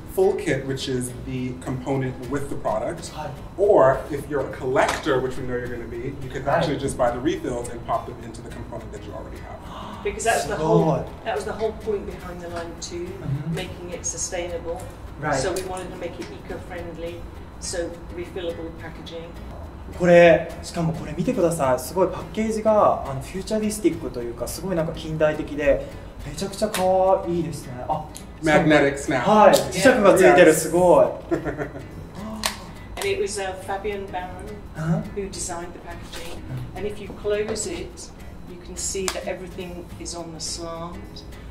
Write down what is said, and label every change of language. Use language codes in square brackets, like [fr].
[en] full kit, which is the component with the product, or if you're a collector, which we know you're going to be, you could actually just buy the refills and pop them into the component that you already have. Because that's the whole—that was the whole point behind the line too, making it sustainable. Right. So we wanted to make it eco-friendly, so refillable packaging. [ja] これしかもこれ見てください、すごいパッケージがフューチャリスティックというか、すごいなんか近代的でめちゃくちゃ可愛いですね。あ、マグネティックスナップ、はい、磁石がついてる、すごい。 [en] And it was Fabian Baron who designed the packaging. And if you close it, you can see that everything is on the slant.